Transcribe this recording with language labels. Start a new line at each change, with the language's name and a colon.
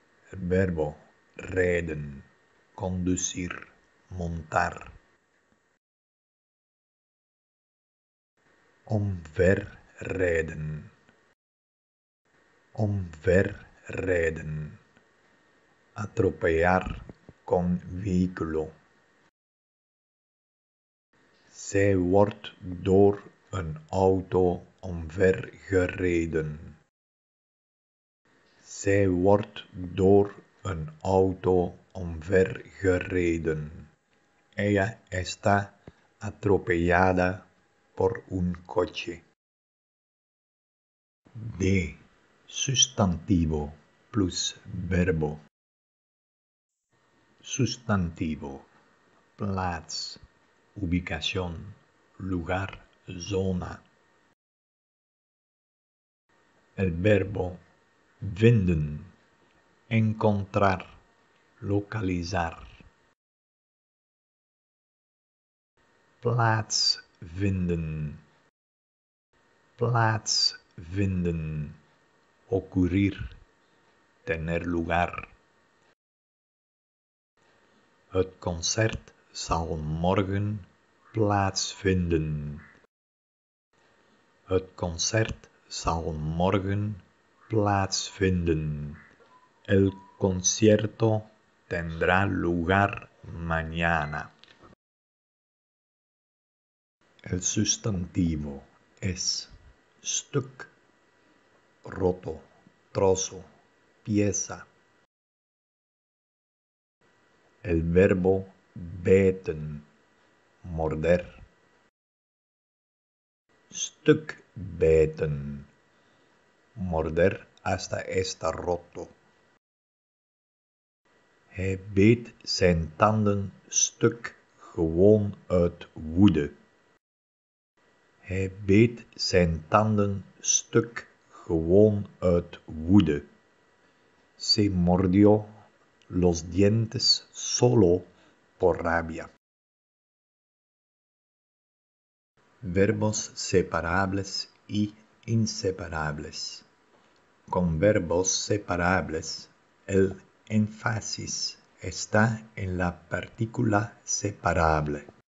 Spanish: El verbo, rijden, conducir, montar.
Dutch: Omver, rijden. Omver, rijden.
Spanish: Atropellar con vehículo.
Dutch: Zij wordt door een auto omver gereden. Zij wordt door een auto omver gereden.
Spanish: Ella está atropellada por un coche. D. Sustantivo plus verbo. sustantivo, plaats, ubicación, lugar, zona. El verbo vinden, encontrar, localizar.
Dutch: Plaats vinden. Plaats vinden.
Spanish: Ocurrir, tener lugar.
Dutch: Het concert zal morgen plaatsvinden. Het concert zal morgen plaatsvinden.
Spanish: El concierto tendrá lugar mañana. El sustantivo es stuk, roto, trozo, pieza. El verbo beten, morder. Stuk beten, morder hasta estar roto. Hij beet zijn tanden stuk gewoon uit woede. Hij beet zijn tanden stuk gewoon uit woede. Se mordió los dientes solo por rabia. Verbos separables y inseparables. Con verbos separables, el énfasis está en la partícula separable.